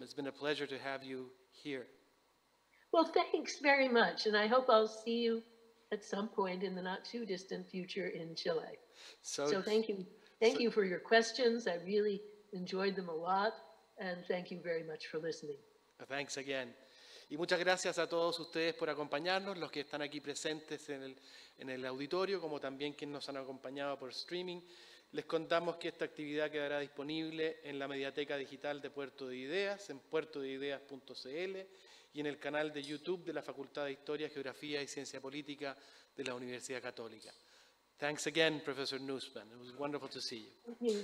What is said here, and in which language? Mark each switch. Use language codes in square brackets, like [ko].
[en] It's been a pleasure to have you here. Well, thanks very much, and I hope I'll see you at some point in the not too distant future in Chile. So thank you. Thank you for your questions. I really enjoyed them a lot, and thank you very much for listening. Thanks again. [es] Y muchas gracias a todos ustedes por acompañarnos, los que están aquí presentes en el auditorio, como también quienes nos han acompañado por streaming. Les contamos que esta actividad quedará disponible en la Mediateca Digital de Puerto de Ideas, en puertodeideas.cl, y en el canal de YouTube de la Facultad de Historia, Geografía y Ciencia Política de la Universidad Católica. [en] Thanks again, Professor Nussbaum. It was wonderful to see you.